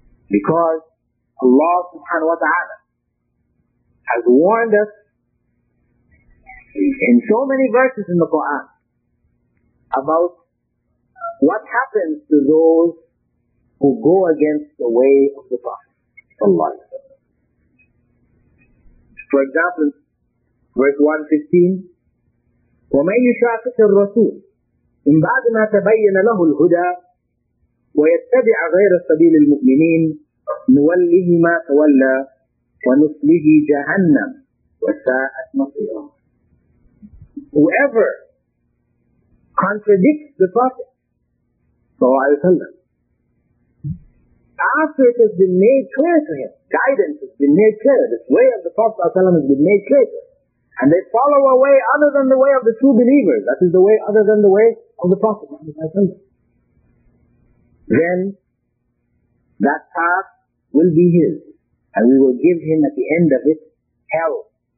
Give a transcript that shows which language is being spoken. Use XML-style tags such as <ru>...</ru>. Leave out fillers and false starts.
<en>Because Allah subhanahu wa ta'ala has warned us in so many verses in the Quran about what happens to those who go against the way of the Prophet sallallahu alaihi wasallam. For example, verse 115,</en> <ar>وَمَنْ يُشَاقِقِ الرَّسُولِ مِنْ بَعْدِ مَا تَبَيَّنَ لَهُ الْهُدَى وَيَتَّبِعَ غَيْرَ سَبِيلِ الْمُؤْمِنِينَ نُوَلِّهِ مَا تَوَلَّى وَنُصْلِهِ جَهَنَّمْ وَسَاءَتْ مَصِيرًا.</ar> <en>Whoever contradicts the Prophet sallallahu alaihi wasallam, after it has been made clear to him, guidance has been made clear, this way of the Prophet sallallahu alaihi wasallam has been made clear to him, and they follow a way other than the way of the true believers, that is the way other than the way of the Prophet sallallahu alaihi wasallam, then that path will be his, and we will give him at the end of it hell.</en>